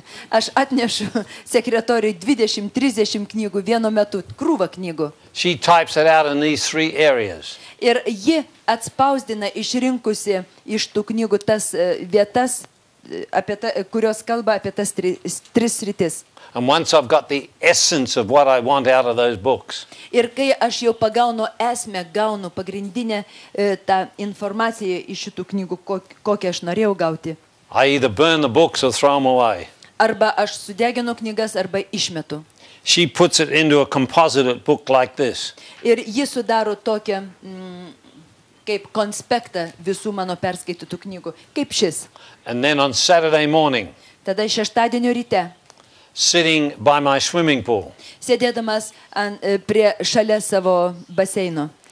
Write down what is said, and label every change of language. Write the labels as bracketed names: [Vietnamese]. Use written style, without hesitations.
[Lithuanian] Aš atnešu sekretoriui 20-30 knygų vienu metu, krūvą knygų. [English] She types it out in these three areas. [Lithuanian] Ir ji atspausdina išrinkusi iš tų knygų tas vietas, apie kurios kalba apie tas tris rytis. [English] And once I've got the essence of what I want out of those books. [Lithuanian] Ir kai aš jau pagaunu esmę, gaunu pagrindinę tą informaciją iš šitų knygų, kokią aš norėjau gauti. [English] I either burn the books or throw them away. [Lithuanian] Arba aš sudeginu knygas arba išmetu. [English] She puts it into a composite book like this. [Lithuanian] Ir ji sudaro tokią kaip konspektą visų mano perskaitytų knygų, kaip šis. [English] And then on Saturday morning. [Lithuanian] Tada šeštadienio ryte. [English] Sitting by my swimming pool. [Lithuanian] Sėdėdamas prie šalia savo baseino.